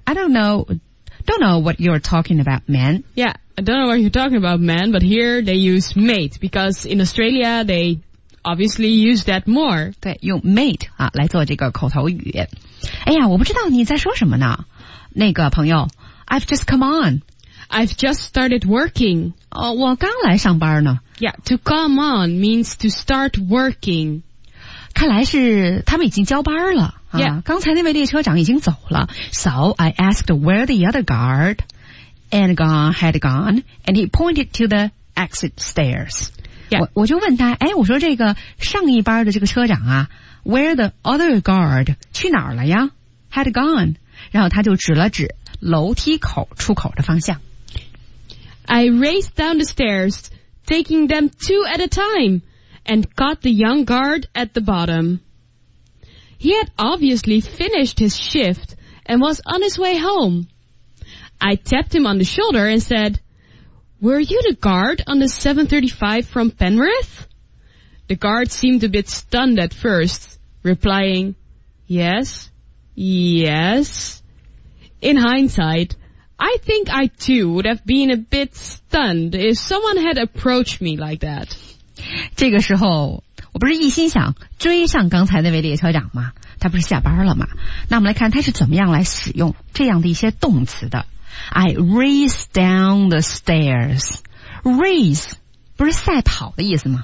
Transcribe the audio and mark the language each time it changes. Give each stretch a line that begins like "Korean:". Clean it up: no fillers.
English: I don't know what you're talking about, man. Yeah, I don't know what you're talking about, man, but here they use mate because in Australia they obviously use that more.
Chinese: 对用 mate 啊来做这个口头语。哎呀我不知道你在说什么呢。那个朋友
English: ,I've just come on. I've just started working.
Chinese: 哦我刚来上班呢。
English: Yeah, to come on means to start working.
Chinese: 看来是他们已经交班了。
English: Yeah.
Chinese: 啊刚才那位列车长已经走了。
English: So, I asked where the other guard and gone had gone, and he pointed to the exit stairs. Yeah.
Chinese: 我就问他哎我说这个上一班的这个车长啊 ,
English: where the other guard,
Chinese: 去哪儿了呀 ?
English: had gone.
Chinese: 然后他就指了指楼梯口出口的方向。
English: I raced down the stairs, taking them two at a time, and caught the young guard at the bottom. He had obviously finished his shift and was on his way home. I tapped him on the shoulder and said,Were you the guard on the 735 from Penrith? The guard seemed a bit stunned at first, replying, Yes, yes. In hindsight, I think I too would have been a bit stunned if someone had approached me like that.
Chinese: 这个时候我不是一心想追上刚才那位列车长吗他不是下班了吗那我们来看他是怎么样来使用这样的一些动词的。
English: I race down the stairs. Race,
Chinese: 不是赛跑的意思吗?